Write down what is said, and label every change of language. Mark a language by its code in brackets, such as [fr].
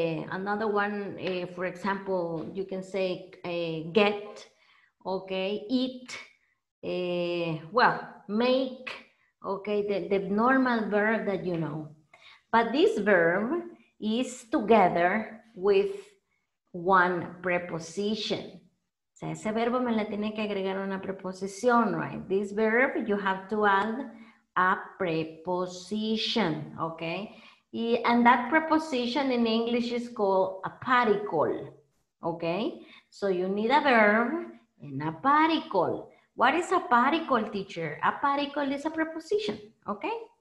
[en] Another one, for example, you can say get, okay, eat, well, make, okay, the normal verb that you know. But this verb is together with one preposition. [es] O sea, ese verbo me la tiene que agregar una preposición, right? [en] This verb, you have to add a preposition, okay? And that preposition in English is called a particle, okay? So you need a verb and a particle. What is a particle, teacher? A particle is a preposition, okay?